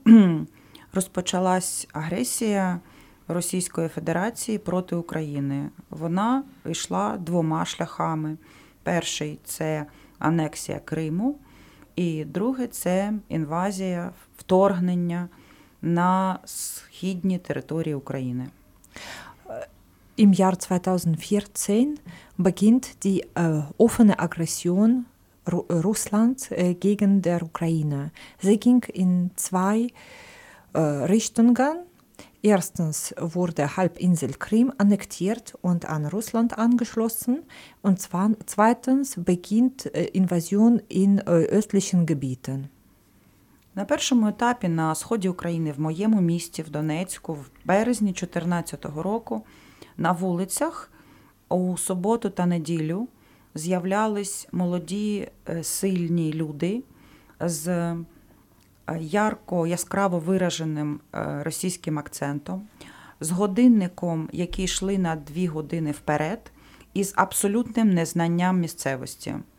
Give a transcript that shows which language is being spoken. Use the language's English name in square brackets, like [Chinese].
[German] begann die Aggression [Ukrainian] Російської Федерації проти України. Вона йшла двома шляхами. Перший – це анексія Криму, і другий – це інвазія, вторгнення на східні території України. [German] Im Jahr 2014 beginnt die offene Aggression Russlands gegen der Ukraine. Sie ging in zwei Richtungen. Erstens wurde Halbinsel Krim annektiert und an Russland angeschlossen. Und zweitens beginnt Invasion in östlichen Gebieten. [Ukrainian] На першому етапі на сході України, в моєму місті, в Донецьку, в березні 2014 року, на вулицях у суботу та неділю з'являлись молоді сильні люди з ярко-яскраво вираженим російським акцентом, з годинником, які йшли на дві години вперед, і з абсолютним незнанням місцевості.